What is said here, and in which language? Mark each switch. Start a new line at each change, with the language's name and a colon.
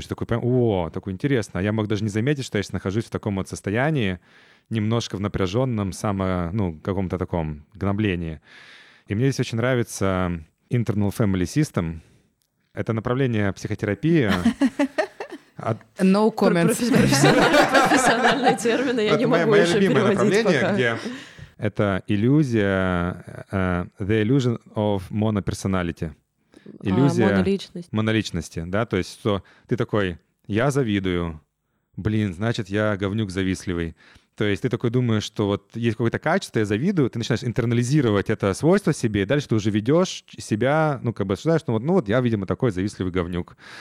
Russian: Я такой, о, такой интересно. Я мог даже не заметить, что я сейчас нахожусь в таком вот состоянии, немножко в напряженном, ну, каком-то таком гноблении. И мне здесь очень нравится Internal Family System. Это направление психотерапии.
English: No comments.
Russian: Профессиональные термины, я не могу еще переводить пока. Мое любимое направление, где это иллюзия,
English: the illusion of monopersonality.
Russian: Иллюзия моноличности. Моноличности, да, то есть что ты такой, я завидую, блин, значит, я говнюк завистливый. То есть ты такой думаешь, что вот есть какое-то качество, я завидую, ты начинаешь интернализировать это свойство себе, и дальше ты уже ведешь себя, ну, как бы осуждаешь, что вот, ну, вот я, видимо, такой завистливый говнюк.